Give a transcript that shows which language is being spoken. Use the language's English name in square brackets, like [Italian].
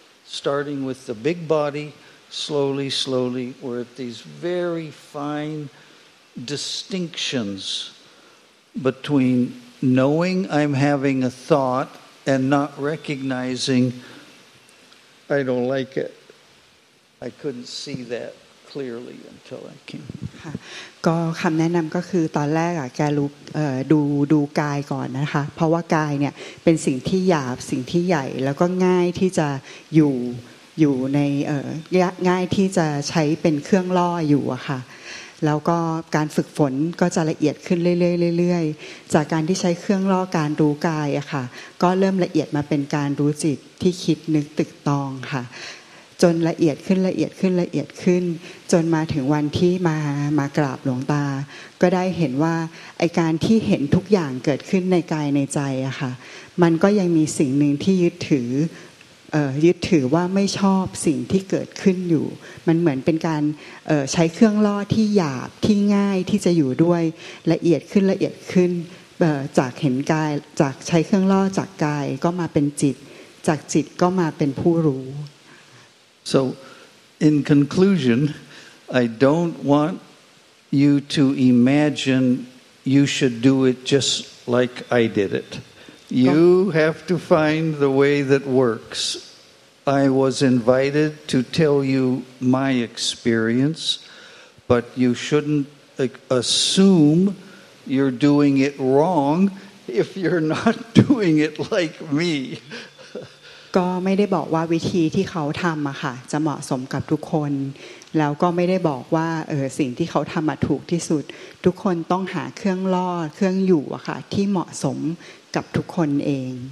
[English] Starting with the big body, slowly, slowly, we're at these very fine distinctions between knowing I'm having a thought and not recognizing I don't like it. I couldn't see that clearly until I came. [Thai] ก็คำแนะนำก็คือตอนแรกอ่ะแกรู้ดูกายก่อนนะคะเพราะว่ากายเนี่ยเป็นสิ่งที่หยาบสิ่งที่ใหญ่แล้วก็ง่ายที่จะอยู่ในง่ายที่จะใช้เป็นเครื่องล่ออยู่อ่ะค่ะแล้วก็การฝึกฝนก็จะละเอียดขึ้นเรื่อยๆจากการที่ใช้เครื่องล่อการรู้กายอ่ะค่ะก็เริ่มละเอียดมาเป็นการรู้จิตที่คิดนึกตึกตองค่ะ จนละเอียดขึ้นละเอียดขึ้นละเอียดขึ้นจนมาถึงวันที่มากราบหลวงตาก็ได้เห็นว่าไอการที่เห็นทุกอย่างเกิดขึ้นในกายในใจอะค่ะมันก็ยังมีสิ่งนึงที่ยึดถือว่าไม่ชอบสิ่งที่เกิดขึ้นอยู่มันเหมือนเป็นการใช้เครื่องล่อที่หยาบที่ง่ายที่จะอยู่ด้วยละเอียดขึ้นละเอียดขึ้นจากเห็นกายจากใช้เครื่องล่อจากกายก็มาเป็นจิตจากจิตก็มาเป็นผู้รู้ [English] So, in conclusion, I don't want you to imagine you should do it just like I did it. You have to find the way that works. I was invited to tell you my experience, but you shouldn't assume you're doing it wrong if you're not doing it like me. [Thai] ก็ไม่ได้บอกว่าวิธีที่เขาทำอะค่ะจะเหมาะสมกับทุกคนแล้วก็ไม่ได้บอกว่าสิ่งที่เขาทำอะถูกที่สุดทุกคนต้องหาเครื่องล่อเครื่องอยู่อะค่ะที่เหมาะสมกับทุกคนเอง